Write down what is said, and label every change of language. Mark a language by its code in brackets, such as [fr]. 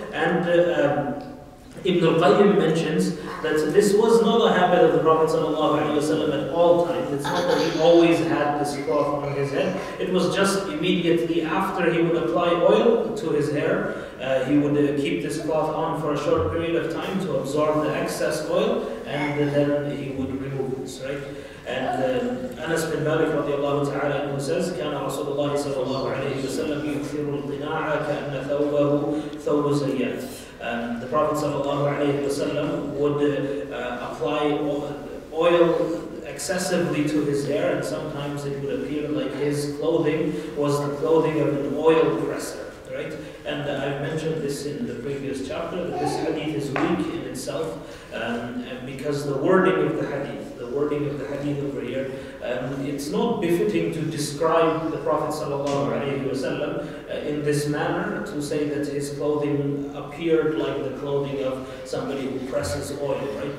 [en] And Ibn al-Qayyim mentions that this was not a habit of the Prophet sallallahu alayhi wa sallam at all times. It's not that he always had this cloth on his head. It was just immediately after he would apply oil to his hair. He would keep this cloth on for a short period of time to absorb the excess oil, and then he would remove it, right? And Anas bin Malik radiallahu ta'ala who says, [ar] كَانَ رَسُولُ اللَّهِ صَلَى اللَّهُ عَلَيْهِ وَسَلَّمُ يُخْفِرُ الْقِنَاعَ كَأَنَّ ثَوْبَهُ ثَوْبُ زَيَّةٍ. [en] The Prophet sallallahu alayhi wa sallam would apply oil excessively to his hair, and sometimes it would appear like his clothing was the clothing of an oil presser. Right? And I've mentioned this in the previous chapter, that this hadith is weak in itself, because the wording of the hadith over here, it's not befitting to describe the Prophet ﷺ in this manner, to say that his clothing appeared like the clothing of somebody who presses oil, right?